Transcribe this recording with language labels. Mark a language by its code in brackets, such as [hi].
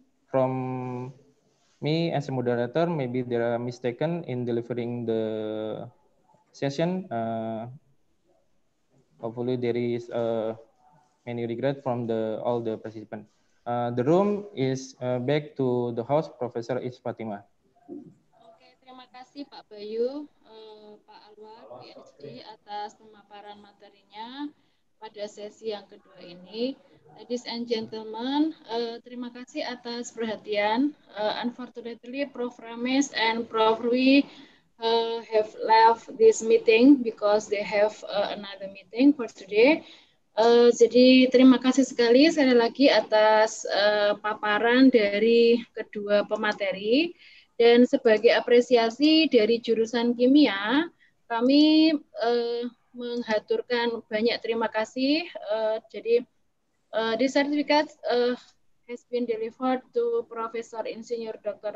[en] From me as a moderator, maybe there are mistaken in delivering the session. Hopefully there is many regret from all the participants. The room is back to the host, Professor Is Fatima. [id] Terima kasih Pak Bayu, Pak Alwar, PhD atas pemaparan materinya pada sesi yang kedua ini. [en] Ladies and gentlemen, [id] terima kasih atas perhatian. [en] Unfortunately, Prof. Ramis and Prof. Rui have left this meeting because they have another meeting for today. [id] Jadi terima kasih sekali sekali lagi atas paparan dari kedua pemateri. Dan sebagai apresiasi dari jurusan kimia, kami menghaturkan banyak terima kasih. [en] Jadi, this certificate has been delivered to Professor Insinyur Dr.